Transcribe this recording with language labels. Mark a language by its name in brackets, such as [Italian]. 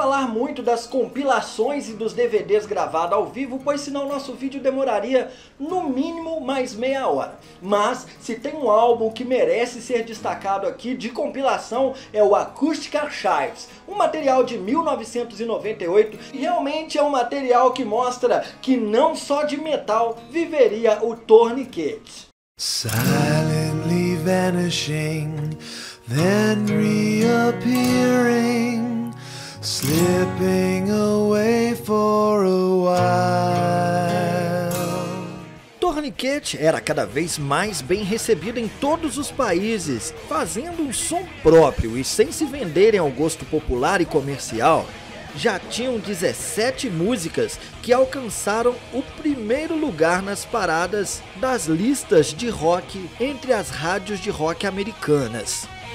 [Portuguese] Muito das compilações e dos DVDs gravados ao vivo, pois senão nosso vídeo demoraria no mínimo mais meia hora. Mas se tem um álbum que merece ser destacado aqui de compilação é o Acoustic Archives, um material de 1998, e realmente é um material que mostra que não só de metal viveria o Tourniquet. [English] Silently vanishing, then reappearing. Slipping away for a while. [Portuguese] Tourniquet era cada vez mais bem recebido em todos os países, fazendo um som próprio e sem se venderem ao gosto popular e comercial. Já tinham 17 músicas que alcançaram o primeiro lugar nas paradas das listas de rock entre as rádios de rock americanas.